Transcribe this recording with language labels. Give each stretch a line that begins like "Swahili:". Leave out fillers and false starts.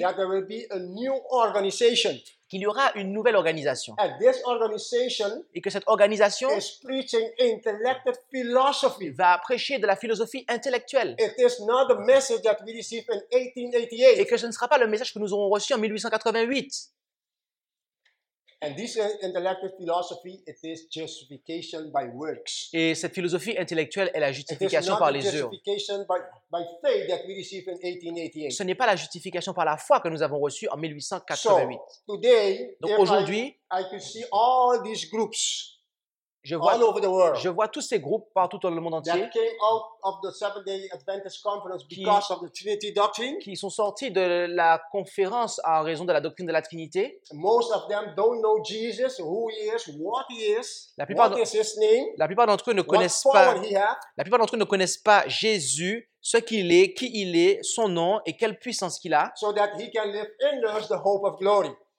English: that there will be a new organization.
French: Qu'il y aura une nouvelle organisation.
English: And this organization
French: et que cette organisation
English: is preaching intellectual philosophy.
French: Va prêcher de la philosophie intellectuelle.
English: It is not the message that we received in 1888.
French: Et que ce ne sera pas le message que nous aurons reçu en 1888.
English: And this intellectual philosophy, it is justification by works.
French: Et cette philosophie intellectuelle est la justification par les œuvres.
English: By faith that we received in 1888.
French: Ce n'est pas la justification par la foi que nous avons reçue en 1888.
English: So, today,
French: donc aujourd'hui,
English: I could see all these groups all over the world.
French: Je vois tous ces groupes partout dans le monde entier.
English: That came out of the Seventh-day Adventist conference because of the Trinity doctrine.
French: Qui sont sortis de la conférence en raison de la doctrine de la Trinité.
English: Most of them don't know Jesus, who he is, what he is.
French: La plupart d'entre eux ne connaissent pas. La plupart d'entre eux ne connaissent pas Jésus. Ce qu'il est, qui il est, son nom et quelle puissance qu'il a.
English: So that he can live in us the hope of glory.